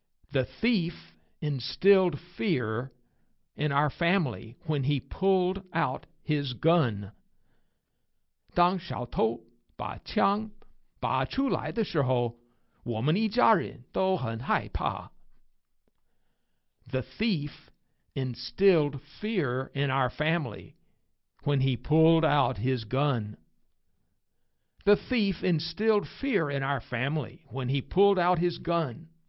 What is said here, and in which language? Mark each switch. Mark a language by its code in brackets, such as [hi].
[en] The thief instilled fear in our family when he pulled out his gun. [zh] 当小偷把枪拔出来的时候，我们一家人都很害怕。 [en] The thief instilled fear in our family when he pulled out his gun. The thief instilled fear in our family when he pulled out his gun.